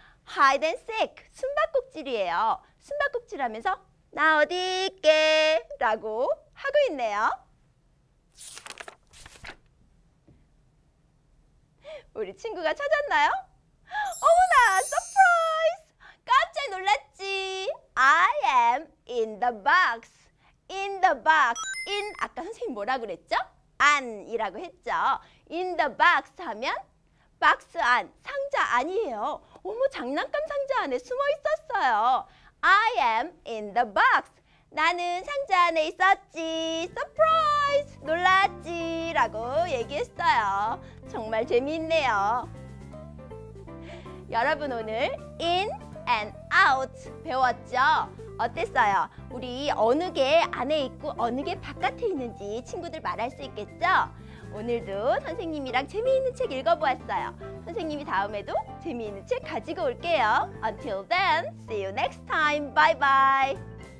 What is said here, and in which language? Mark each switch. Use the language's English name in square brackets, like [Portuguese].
[English] Hide and seek, [Korean] 숨바꼭질이에요. 숨바꼭질 하면서 나 어디 있게? 라고 하고 있네요. 우리 친구가 찾았나요? 어머나, 서프라이즈! 깜짝 놀랐지? [English] I am in the box. In the box. [Korean] In, 아까 선생님 뭐라고 그랬죠? An 이라고 했죠. [English] In the box [Korean] 하면 박스 안, 상자 안이에요. 어머, 장난감 상자 안에 숨어 있었어요. [English] I am in the box. [Korean] 나는 상자 안에 있었지. Surprise! 놀랐지. 라고 얘기했어요. 정말 재미있네요. 여러분, 오늘 in and out 배웠죠? 어땠어요? 우리 어느 게 안에 있고 어느 게 바깥에 있는지 친구들 말할 수 있겠죠? 오늘도 선생님이랑 재미있는 책 읽어보았어요. 선생님이 다음에도 재미있는 책 가지고 올게요. [English] Until then, see you next time. Bye bye.